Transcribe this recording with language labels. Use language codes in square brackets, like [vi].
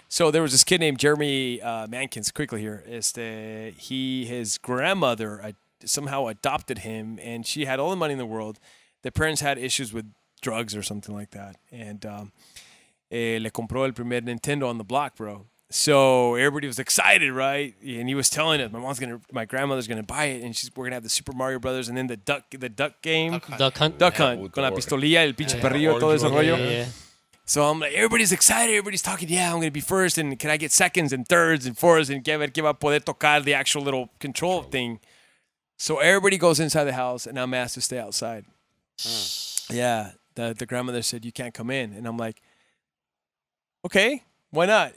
[en] So there was this kid named Jeremy Mankins, quickly here. His grandmother somehow adopted him, and she had all the money in the world. The parents had issues with drugs or something like that. And [es] le compró el primer Nintendo [en] on the block, bro. So everybody was excited, right? And he was telling us, my grandmother's gonna buy it, and we're gonna have the Super Mario Brothers, and then the duck game, Duck Hunt, yeah, [es] con la pistolilla, el pinche perrillo, todo ese rollo. [en] So I'm like, everybody's excited, everybody's talking. Yeah, I'm gonna be first, and can I get seconds and thirds and fourths and give up [es] poder tocar [en] the actual little control thing? So everybody goes inside the house, and I'm asked to stay outside. Huh. Yeah, the grandmother said you can't come in, and I'm like, okay. Why not?